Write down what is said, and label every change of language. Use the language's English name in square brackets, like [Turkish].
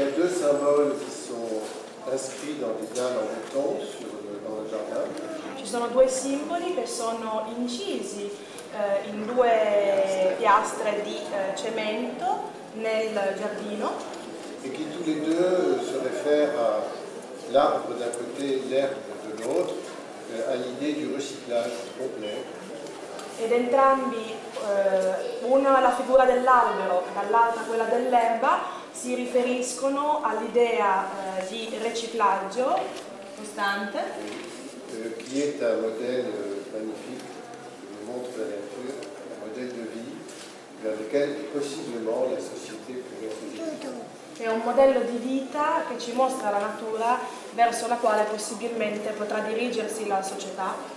[French] sa parole qui sont inscrits dans les dalles en béton sur le, dans le jardin. [Italian] Ci sono due simboli che sono incisi in due piastre di cemento nel giardino. E che [French] tous les deux se réfèrent à l'arbre d'un côté, l'herbe de l'autre, à l'idée du recyclage complet. [Italian] Ed entrambi, una la figura dell'albero, dall'altra quella dell'erba, si riferiscono all'idea di riciclaggio costante. [French] Qui est un modèle magnifique, je vous montre la nature, un modèle de vie vers lequel possiblement la société pourrait se diriger. [Italian] È un modello di vita che ci mostra la natura verso la quale possibilmente potrà dirigersi la società.